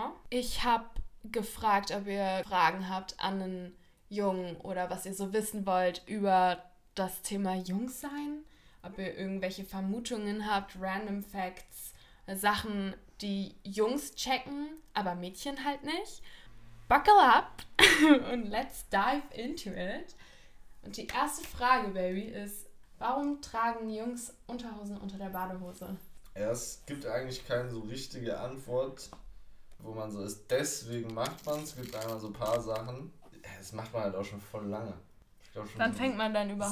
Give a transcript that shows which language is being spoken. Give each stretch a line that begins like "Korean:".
German: Ich habe gefragt, ob ihr Fragen habt an einen Jungen oder was ihr so wissen wollt über das Thema Jungsein, ob ihr irgendwelche Vermutungen habt, Random Facts, Sachen, die Jungs checken, aber Mädchen halt nicht.
English: Buckle up und let's dive into it.
German: Und die erste Frage, Baby, ist, warum tragen Jungs Unterhosen unter der Badehose? Ja, es gibt eigentlich keine so richtige Antwort, wo man so ist, deswegen macht man es. Es gibt einmal so ein paar Sachen. Das macht man halt auch schon voll lange. Ich glaube schon. Wann fängt man dann überhaupt